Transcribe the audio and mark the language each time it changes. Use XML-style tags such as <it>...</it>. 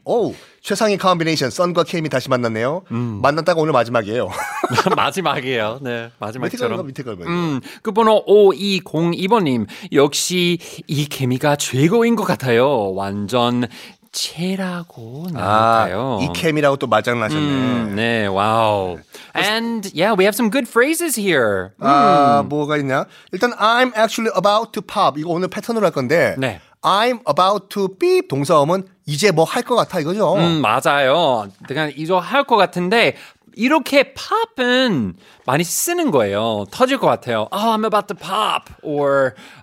<ko>오, 최상의 카운비네이션. 썬과 케임이 다시 만났네요. 만났다가 오늘 마지막이에요. 마지막이에요. 네, 마지막처럼. 밑에 걸 봐요. 끝번호 5202번님. 역시 이 케미가 최고인 것 같아요. 완전... 체라고 나올까요? 아, 이 케미라고 또 말장나셨네. 네, 와우.</ko> <en>And yeah, we have some good phrases here.</en> <ko>아, 뭐가 있냐? 일단</ko> <en>I'm actually about to pop.</en> <ko>이거 오늘 패턴으로 할 건데 네.</ko> <en>I'm about to beep</en> <ko>동사음은 이제 뭐 할 것 같아 이거죠? 맞아요. 그냥 이제 할 것 같은데 이렇게 pop은 많이 쓰는 거예요. 터질 것 같아요.</ko> <en>Oh, I'm about to pop. Or...</en>